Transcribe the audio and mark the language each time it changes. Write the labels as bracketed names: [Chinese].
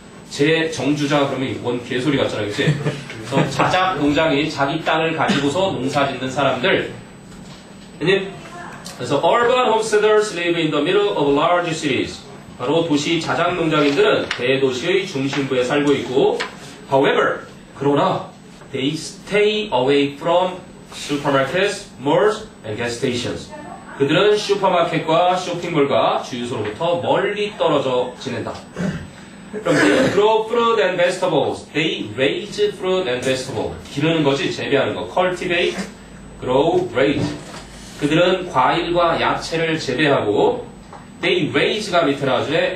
[Korean] 제 정주자 그러면 이건 개소리 같잖아, 그치? 그래서 자작 농장인, 자기 땅을 가지고서 농사 짓는 사람들. 아님? 그래서 [English] Urban Homesteaders live in the middle of large cities. [Korean] 바로 도시 자작 농장인들은 대도시의 중심부에 살고 있고. [English] However, [Korean] 그러나 [English] they stay away from supermarkets, malls, and gas stations. [Korean] 그들은 슈퍼마켓과 쇼핑몰과 주유소로부터 멀리 떨어져 지낸다. [English] From they grow fruit and vegetables. They raise fruit and vegetables. [Korean] 기르는 거지, 재배하는 거. [English] Cultivate, grow, raise. [Korean] 그들은 과일과 야채를 재배하고 [English] they raise [Korean] 가 밑에 나와주네.